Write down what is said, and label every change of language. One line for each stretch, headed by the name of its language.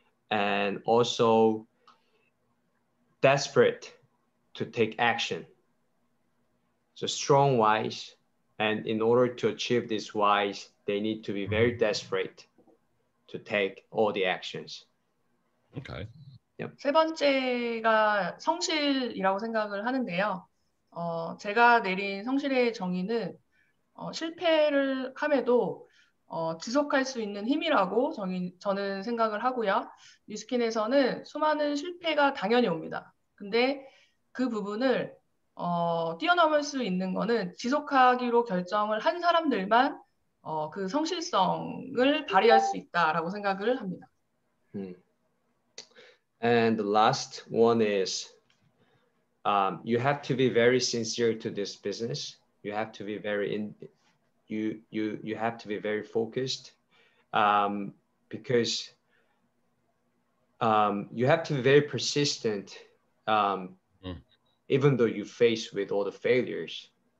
English: And also desperate to take action. So strong whys, and in order to achieve these whys, they need to be very desperate to take all the actions. Okay. Yep.
Korean: 세 번째가 성실이라고 생각을 하는데요. 제가 내린 성실의 정의는 실패를 함에도 지속할 수 있는 힘이라고 저는 생각을 하고요. 뉴스킨에서는 수많은 실패가 당연히 옵니다. 근데 그 부분을 뛰어넘을 수 있는 거는 지속하기로 결정을 한 사람들만 그 성실성을 발휘할 수 있다라고 생각을 합니다.
English: And the last one is you have to be very sincere to this business. You have to be very you have to be very focused because you have to be very persistent even though you face with all the failures.